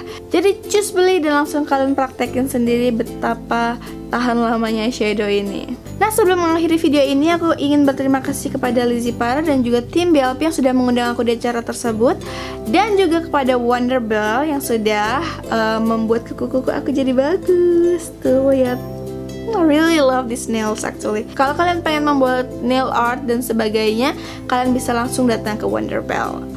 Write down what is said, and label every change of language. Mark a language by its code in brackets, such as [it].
[id] Jadi, cus beli dan langsung kalian praktekin sendiri betapa tahan lamanya shadow ini. Nah sebelum mengakhiri video ini, aku ingin berterima kasih kepada Lizzie Parra dan juga tim BLP yang sudah mengundang aku di acara tersebut. Dan juga kepada Wonderbell yang sudah membuat kuku-kuku aku jadi bagus. Tuh ya, [en] I really love these nails actually. [id] Kalau kalian pengen membuat nail art dan sebagainya, kalian bisa langsung datang ke Wonderbell.